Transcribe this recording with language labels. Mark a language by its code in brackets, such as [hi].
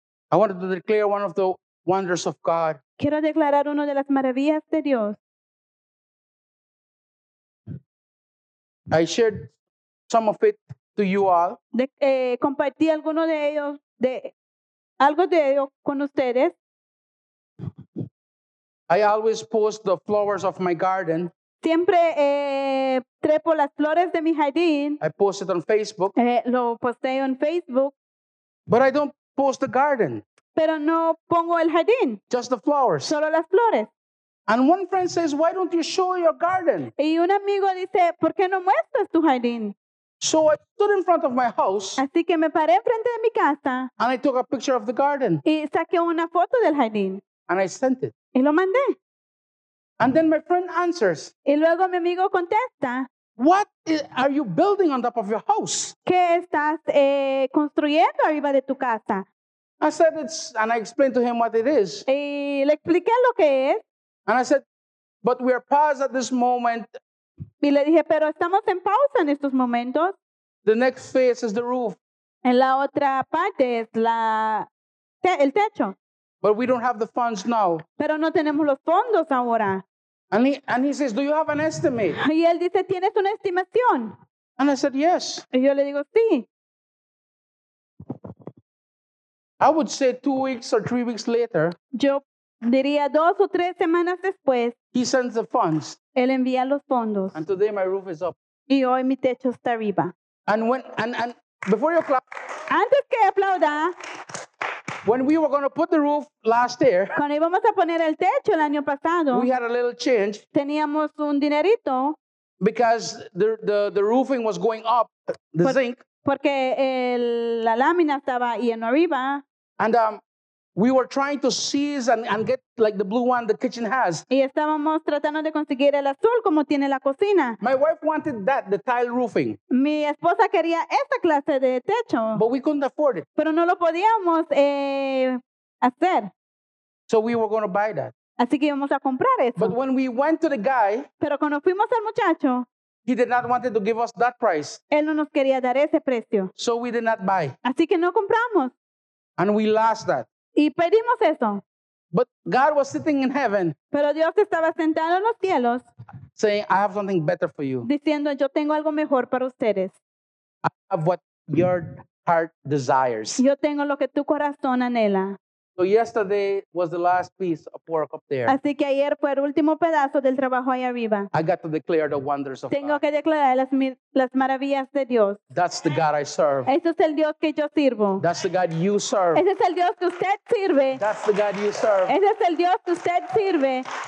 [en] I wanted to declare one of the wonders of God. [es] Quiero declarar una de las maravillas de Dios. [en] I shared some of it to you all. [es] Compartí alguno de ellos, de algo de ellos con ustedes. [en] I always post the flowers of my garden. [es] Siempre trepo las flores de mi jardín. [en] I post it on Facebook. [es] Lo posteo en Facebook. [en] But I don't post the garden. [es] Pero no pongo el jardín. [en] Just the flowers. [es] Solo las flores. [en] And one friend says, why don't you show your garden? [es] Y un amigo dice, ¿por qué no muestras tu jardín? [en] So I stood in front of my house. [es] Así que me paré frente de mi casa. [en] And I took a picture of the garden. [es] Y saqué una foto del jardín. [en] And I sent it. [es] Y lo mandé. [en] And then my friend answers. [es] Y luego mi amigo contesta. [en] What are you building on top of your house? [es] ¿Qué estás construyendo arriba de tu casa? [en] I said it's, and I explained to him what it is. [es] Y le expliqué lo que es. [en] And I said, but we are paused at this moment. [es] Y le dije, pero estamos en pausa en estos momentos. [en] The next phase is the roof. [es] En la otra parte es el techo. [en] But we don't have the funds now. [es] Pero no tenemos los fondos ahora. [en] And he says, do you have an estimate? [es] Y él dice, ¿tienes una estimación? [en] And I said, yes. [es] Y yo le digo, sí. [en] I would say 2 weeks or 3 weeks later. [es] Yo diría 2 o 3 semanas después. [en] He sends the funds. [es] Él envía los fondos. [en] And today my roof is up. [es] Y hoy mi techo está arriba. [en] And before you clap. [es] Antes que aplauda. [en] When we were going to put the roof last year, [es] cuando íbamos a poner el techo el año pasado, [en] we had a little change. [es] Teníamos un dinerito. [en] Because the roofing was going up, the zinc. [es] Porque la lámina estaba yendo arriba. [en] And we were trying to seize and get like the blue one the kitchen has. [es] Y estábamos tratando de conseguir el azul como tiene la cocina. [en] My wife wanted that, the tile roofing. [es] Mi esposa quería esta clase de techo. [en] But we couldn't afford it. [es] Pero no lo podíamos hacer. [en] So we were going to buy that. [es] Así que íbamos a comprar eso. [en] But when we went to the guy, [es] pero cuando fuimos al muchacho, [en] he did not want to give us that price. [es] Él no nos quería dar ese precio. [en] So we did not buy. [es] Así que no compramos. [en] And we lost that. [es] Y pedimos eso. [en] But God was sitting in heaven. [es] Pero Dios estaba sentado en los cielos. [en] Saying, I have something better for you. [es] Diciendo, yo tengo algo mejor para ustedes. [en] I have what your heart desires. [es] Yo tengo lo que tu corazón anhela. [en] So yesterday was the last piece of work up there. [es] Así que ayer fue el último pedazo del trabajo ahí arriba. [en] I got to declare the wonders of [es] tengo [en] God. [es] Tengo que declarar las maravillas de Dios. [en] That's the God I serve. [es] Ese es el Dios que yo sirvo. [en] That's the God you serve. [es] Ese es el Dios que usted sirve. [en] That's the God you serve. [es] Ese es el Dios que usted sirve.